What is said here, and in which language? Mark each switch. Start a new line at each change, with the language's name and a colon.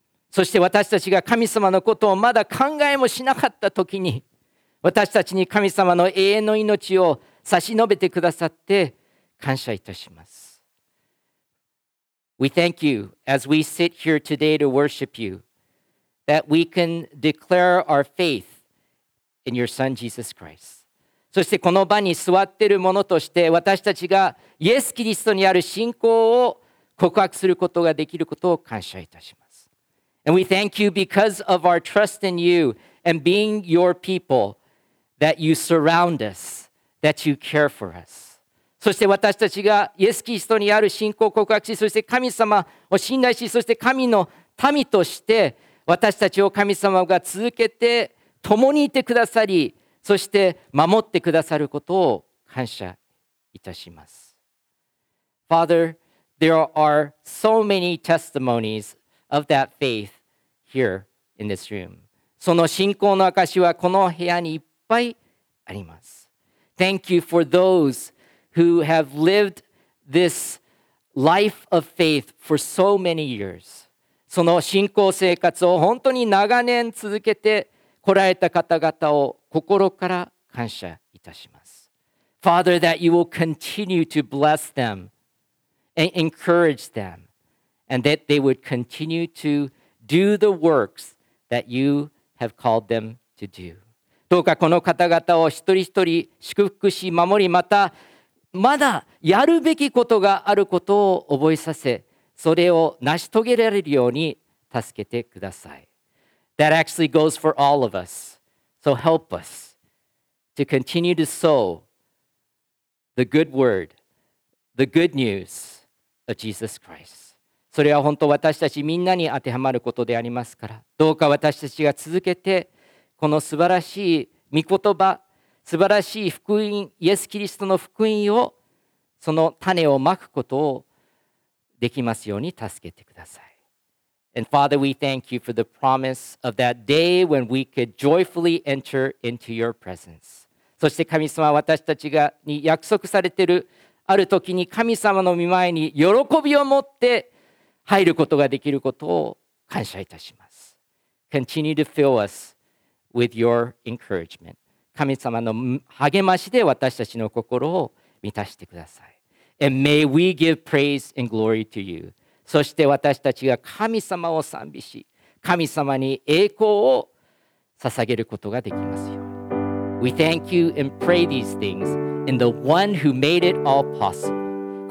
Japanese: そして私たちが神様のことをまだ考えもしなかった時に、私たちに神様の永遠の命を差し伸べてくださって感謝いたします。
English: We thank you as we sit here today to worship you that we can declare our faith in your son Jesus Christ.
Japanese: そしてこの場に座っている者として私たちがイエス・キリストにある信仰を告白することができることを感謝いたします。
English: And we thank you because of our trust in you and being your people that you surround us, that you care for us.
Japanese: そして私たちがイエス・キリストにある信仰を告白し、そして神様を信頼し、そして神の民として私たちを神様が続けて共にいてくださり、そして守ってくださることを感謝いたします。
English: Father, there are so many testimonies of that faith here in this room.
Japanese: その信仰の証はこの部屋にいっぱいあります。
English: Thank you for those who have lived this life of faith for so many years.
Japanese: その信仰生活を本当に長年続けてこられた方々を心から感謝いたします。
English: Father, that you will continue to bless them and encourage them, and that they would continue to do the works that you have called them to do.
Japanese: どうかこの方々を一人一人祝福し、守り、またまだやるべきことがあることを覚えさせ、それを成し遂げられるように助けてください。
English: That actually goes for all of us. So help us to continue to sow the good word, the good news of Jesus Christ.
Japanese: それは本当私たちみんなに当てはまることでありますから、どうか私たちが続けてこの素晴らしい御言葉、素晴らしい福音、イエス・キリストの福音を、その種をまくことをできますように助けてください。
English: And Father, we thank you for the promise of that day when we could joyfully enter into your presence.
Japanese: そして神様、私たちがに約束されているある時に神様の御前に喜びを持って入ることができることを感謝いたします。
English: Continue to fill us with your encouragement.
Japanese: 神様の励ましで私たちの心を満たしてください。
English: And may we give praise and glory to you.
Japanese: そして私たちが神様を賛美し、神様に栄光を捧げることができますように。
English: We thank you and pray these things in the one who made it all possible.